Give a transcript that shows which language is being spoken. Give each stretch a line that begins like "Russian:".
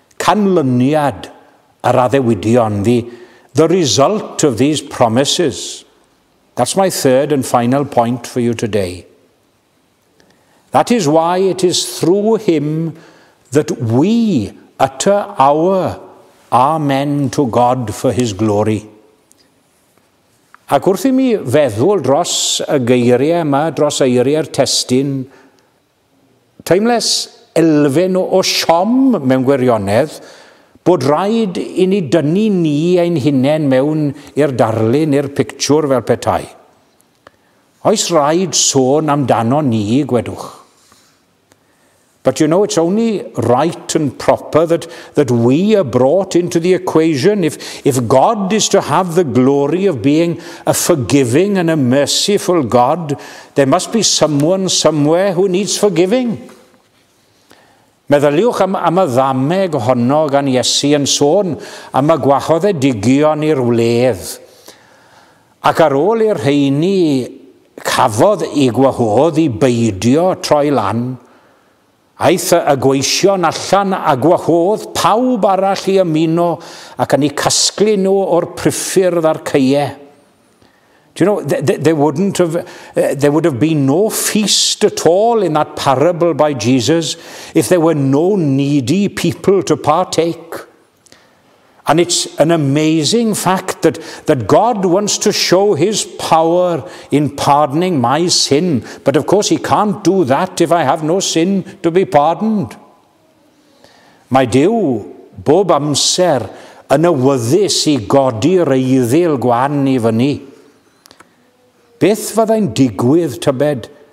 Welsh: Canlyniad yr addewidion fi.
English: The result of these promises. That's my third and final point for you today. That is why it is through him that we utter our amen to God for his glory.
Welsh: Ac wrth I mi feddwl dros y geiriau yma, dros eiriau'r testyn, teimles elfen o siom mewn gwirionedd, bod rhaid I ni dynnu ni ein hunain mewn i'r darlun, i'r pictiwr fel petai. Oes rhaid sôn amdano ni, gwedwch.
English: But you know, it's only right and proper that we are brought into the equation. If God is to have the glory of being a forgiving and a merciful God, there must be someone somewhere who needs forgiving.
Welsh: Meddyliwch am y ddameg honno gan Iesu yn sôn am y gwahodd e digion i'r wledd. Ac ar ôl i'r rheini cafodd ei gwahodd I beidio troi lan, aeth y gweision allan a gwahodd pawb arall I ymuno ac yn ei casglu nhw o'r priffyrdd a'r ceie.
English: Do you know, there would have been no feast at all in that parable by Jesus if there were no needy people to partake. And it's an amazing fact that God wants to show his power in pardoning my sin. But of course he can't do that if I have no sin to be pardoned.
Welsh: Mae Dyw bob amser yn awyddus I godi'r eiddil gwan I fyny. Beth fyddai'n digwydd tybed